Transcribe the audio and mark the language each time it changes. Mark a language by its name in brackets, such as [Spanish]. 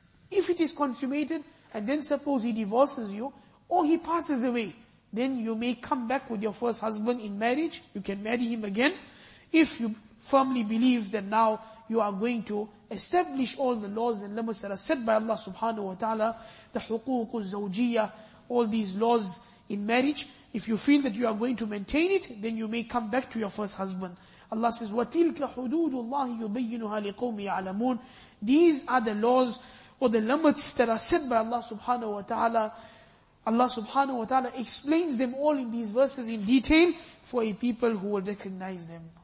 [English] If it is consummated, and then suppose he divorces you, or he passes away, then you may come back with your first husband in marriage, you can marry him again, if you firmly believe that now you are going to establish all the laws and limits that are set by Allah subhanahu wa ta'ala, the huquq al-zawjiyah, all these laws in marriage, if you feel that you are going to maintain it, then you may come back to your first husband. Allah says, [Arabic] وَتِلْكَ حُدُودُ اللَّهِ يُبَيِّنُهَا لِقَوْمِ يَعْلَمُونَ. [English] These are the laws or the limits that are set by Allah subhanahu wa ta'ala. Allah subhanahu wa ta'ala explains them all in these verses in detail for a people who will recognize them.